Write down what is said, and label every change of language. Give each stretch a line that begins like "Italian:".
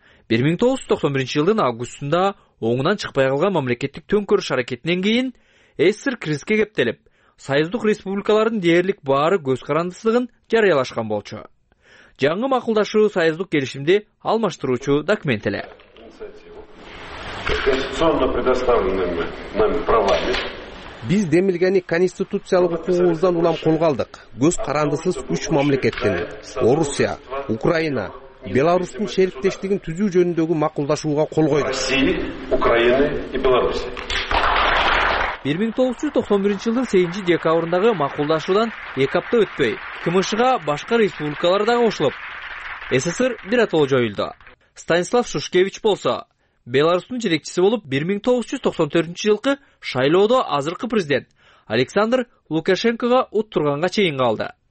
Kyrgyz: 1991 жылдын августунда оңунан чыкпай калган мамлекеттик төңкөрүш аракетинен кийин СССР кризиске кептелип, союздук республикалардын дээрлик баары көз карандысыздыгын жарыялашкан болчу. Жаңы макулдашуу союздук келишимди алмаштыруучу документ эле.
Russian: Конституционно предоставленными нами правами.
Kyrgyz: Биз демилгени конституциялык укугубуздан улам колго алдык. Көз карандысыз үч мамлекеттин Орусия, Украина, Беларусьтун шериктештигин түзүү жөнүндөгү макулдашууга кол койду.
Russian: Россия, Украина и Беларусь.
Kyrgyz: 1991 жылдын 8 декабрындагы макулдашуудан 2 апта өтпөй, КМШ-га башка республикалар да кошулуп, СССР биротоло жоюлду. Станислав Шушкевич болсо, Беларусьтун жетекчиси болуп 1994 жылкы шайлоодо азыркы президент Александр Лукашенкога уттурганга чейин калды.